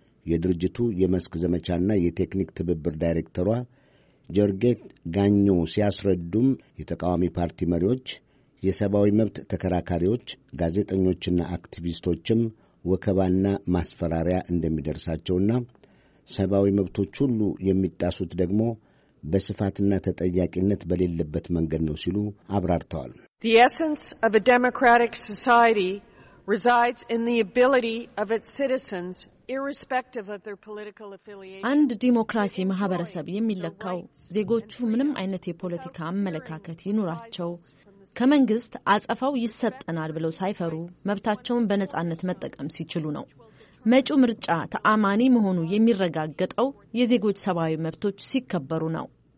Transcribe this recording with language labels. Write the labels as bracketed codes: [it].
[am] የድርጅቱ የመስክ ዘመቻና የቴክኒክ ትብብር ዳይሬክተሯ ጆርጌት ጋኞ ሲያስረዱም የተቃዋሚ ፓርቲ መሪዎች፣ የሰብአዊ መብት ተከራካሪዎች፣ ጋዜጠኞችና አክቲቪስቶችም ወከባና ማስፈራሪያ እንደሚደርሳቸውና ሰብአዊ መብቶች ሁሉ የሚጣሱት ደግሞ በስፋትና ተጠያቂነት በሌለበት መንገድ ነው ሲሉ አብራርተዋል። [en] The essence of a democratic society resides in the ability of its citizens, irrespective of their political affiliation. [am] አንድ ዲሞክራሲ ማህበረሰብ የሚለካው ዜጎቹ ምንም አይነት የፖለቲካ አመለካከት ይኑራቸው፣ ከመንግስት አጸፋው ይሰጠናል ብለው ሳይፈሩ መብታቸውን በነጻነት መጠቀም ሲችሉ ነው። መጪው ምርጫ ተአማኒ መሆኑ የሚረጋገጠው የዜጎች ሰብአዊ መብቶች ሲከበሩ ነው።